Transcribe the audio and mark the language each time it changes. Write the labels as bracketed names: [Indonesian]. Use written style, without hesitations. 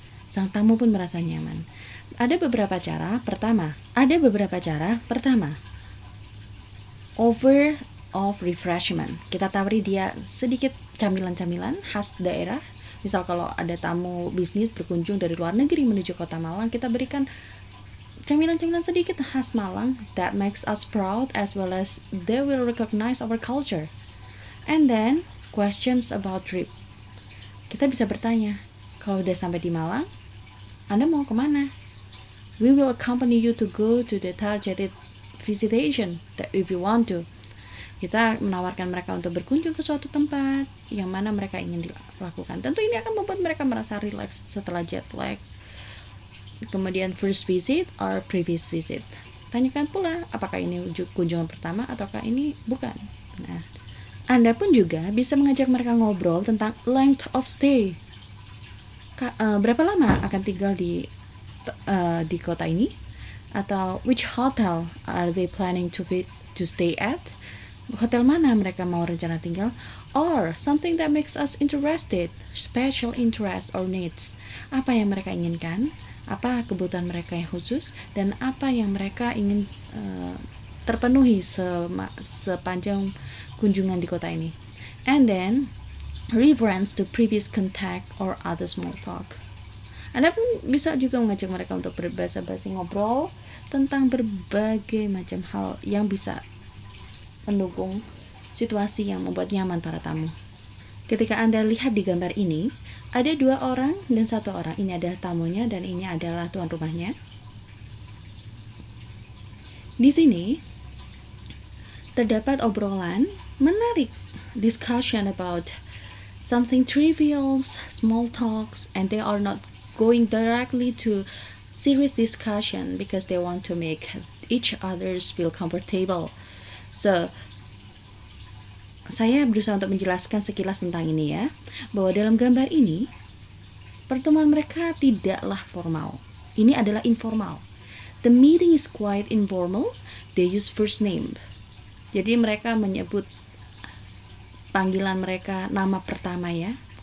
[Indonesian] Sang tamu pun merasa nyaman. Ada beberapa cara, pertama, [English] offer of refreshment. [Indonesian] Kita tawari dia sedikit camilan-camilan khas daerah. Misal kalau ada tamu bisnis berkunjung dari luar negeri menuju kota Malang, kita berikan camilan-camilan sedikit khas Malang. [English] That makes us proud as well as they will recognize our culture. And then, questions about trip. [Indonesian] Kita bisa bertanya, kalau udah sampai di Malang, Anda mau kemana? [English] We will accompany you to go to the targeted visitation that if you want to. [Indonesian] Kita menawarkan mereka untuk berkunjung ke suatu tempat yang mana mereka ingin dilakukan. Tentu ini akan membuat mereka merasa relax setelah jet lag. Kemudian [English] first visit or previous visit. [Indonesian] Tanyakan pula apakah ini kunjungan pertama ataukah ini bukan. Nah, Anda pun juga bisa mengajak mereka ngobrol tentang [English] length of stay. [Indonesian] Berapa lama akan tinggal di kota ini, atau [English] which hotel are they planning to stay at, [Indonesian] hotel mana mereka mau rencana tinggal, [English] or something that makes us interested, special interest or needs, [Indonesian] apa yang mereka inginkan, apa kebutuhan mereka yang khusus, dan apa yang mereka ingin terpenuhi sepanjang kunjungan di kota ini. [English] And then reference to previous contact or other small talk. [Indonesian] Anda pun bisa juga mengajak mereka untuk berbahasa-basi ngobrol tentang berbagai macam hal yang bisa mendukung situasi yang membuat nyaman para tamu. Ketika Anda lihat di gambar ini, ada dua orang dan satu orang. Ini adalah tamunya dan ini adalah tuan rumahnya. Di sini, terdapat obrolan menarik, [English] discussion about something trivial, small talks, and they are not going directly to serious discussion because they want to make each other feel comfortable. [Indonesian] So, saya berusaha untuk menjelaskan sekilas tentang ini ya, bahwa dalam gambar ini, pertemuan mereka tidaklah formal. Ini adalah informal. [English] The meeting is quite informal. They use first name. [Indonesian] Jadi mereka menyebut panggilan mereka nama pertama ya.